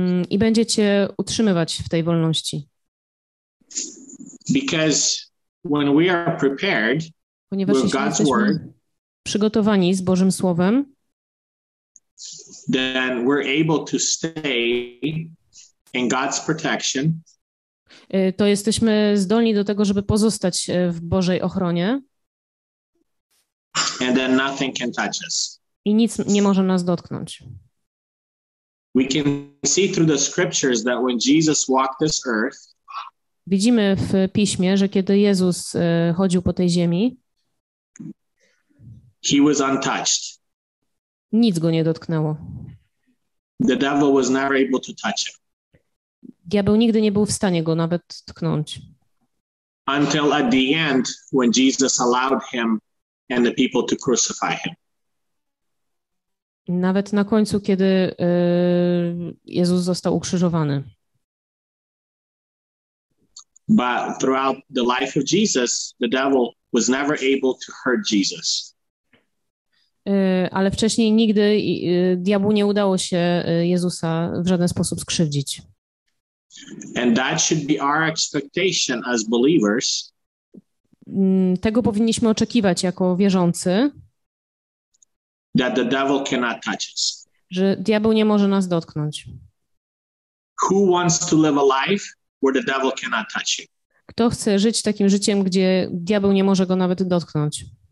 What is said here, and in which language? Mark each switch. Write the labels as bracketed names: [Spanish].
[Polish] I będzie cię utrzymywać w tej wolności. [English] Because when we are prepared, [Polish] ponieważ [English] with God's word, [Polish] przygotowani z Bożym Słowem, [English] then we're able to stay in God's protection. [Polish] To jesteśmy zdolni do tego, żeby pozostać w Bożej ochronie. [English] And then nothing can touch us. [Polish] I nic nie może nas dotknąć. [English] We can see through the scriptures that when Jesus walked this earth, [Polish] widzimy w piśmie, że kiedy Jezus chodził po tej ziemi, [English] he was untouched. [Polish] Nic go nie dotknęło. [English] The devil was never able to touch him. [Polish] Diabeł nigdy nie był w stanie go nawet tknąć. [English] Until at the end, when Jesus allowed him and the people to crucify him. [Polish] Nawet na końcu, kiedy Jezus został ukrzyżowany. [English] But throughout the life of Jesus, the devil was never able to hurt Jesus. [Polish] Ale wcześniej nigdy diabłu nie udało się Jezusa w żaden sposób skrzywdzić. [English] And that should be our expectation as believers. [Polish] Tego powinniśmy oczekiwać jako wierzący, [English] that the devil cannot touch us. [Polish] Że diabeł nie może nas dotknąć. [English] Who wants to live a life where the devil cannot touch you? [Polish] Kto chce żyć takim życiem, gdzie diabeł nie może go nawet dotknąć?